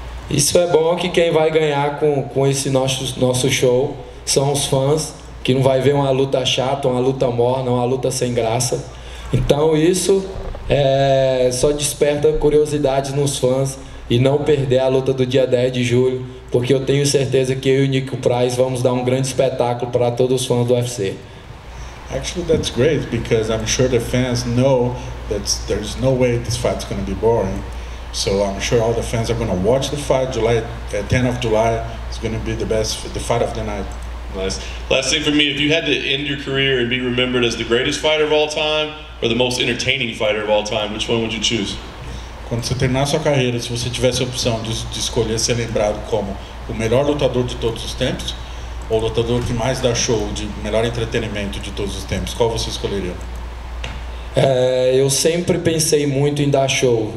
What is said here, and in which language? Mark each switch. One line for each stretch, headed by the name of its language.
Portuguese: Isso é bom, que quem vai ganhar com esse nosso show são os fãs, que não vai ver uma luta chata, uma luta morna, uma luta sem graça. Então isso só desperta curiosidade nos fãs e não perder a luta do dia 10 de julho, porque eu tenho certeza que eu e o Nico Price vamos dar um grande espetáculo para todos os fãs do UFC.
English: Actually, that's great because I'm sure the fans know that there's no way this fight's going to be boring. So I'm sure all the fans are going to watch the fight. July 10th of July is going to be the best, the fight of the night. Last thing for me, if you had to end your career and be remembered as the greatest fighter of all time or the most entertaining fighter of all time, which one would you choose?
Portuguese: quando você terminar sua carreira, se você tivesse a opção de escolher ser lembrado como o melhor lutador de todos os tempos, ou o lutador que mais dá show, de melhor entretenimento de todos os tempos, qual você escolheria? Eu sempre pensei muito em dar show.